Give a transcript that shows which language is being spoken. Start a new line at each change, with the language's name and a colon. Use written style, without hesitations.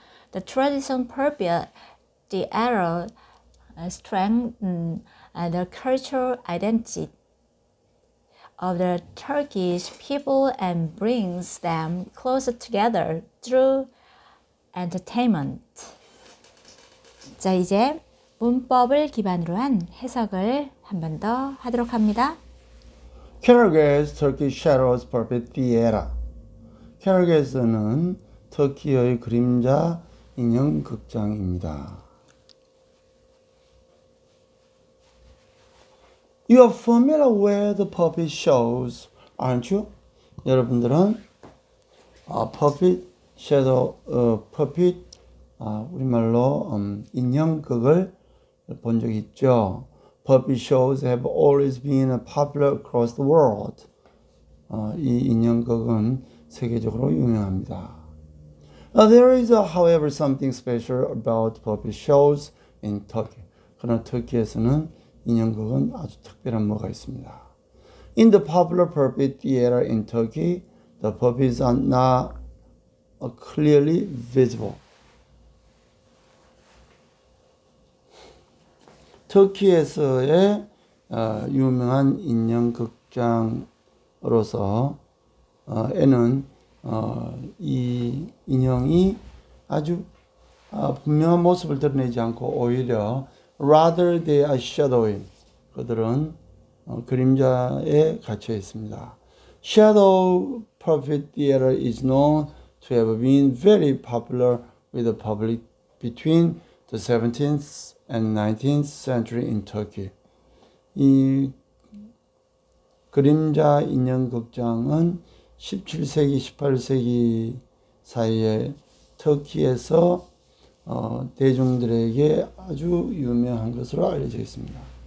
English: The tradition puppet, the era, strengthen the cultural identity of the Turkish people and brings them closer together through entertainment.
Korean: 자, 이제 문법을 기반으로 한 해석을 한 번 더 하도록 합니다.
English: Kargaz, Turkish Shadows Puppet Theatre.
Korean: Kargaz는 터키의 그림자 인형 극장입니다.
English: You are familiar with the puppet shows, aren't you?
Korean: 여러분들은 puppet shadow, puppet 우리말로 인형극을 본 적 있죠.
English: Puppet shows have always been popular across the world.
Korean: 이 인형극은 세계적으로 유명합니다.
English: There is, however, something special about puppet shows in Turkey.
Korean: 그러나 터키에서는 인형극은 아주 특별한 뭐가 있습니다.
English: In the popular puppet theater in Turkey, the puppets are not clearly visible.
Korean: 터키에서의 유명한 인형극장으로서 에는 이 인형이 아주 분명한 모습을 드러내지 않고 오히려
English: Rather they are shadowy.
Korean: 그들은 그림자에 갇혀 있습니다.
English: Shadow puppet theater is known to have been very popular with the public between the 17th and 19th century in Turkey.
Korean: 이 그림자 인형 극장은 17세기, 18세기 사이에 터키에서 대중들에게 아주 유명한 것으로 알려져 있습니다.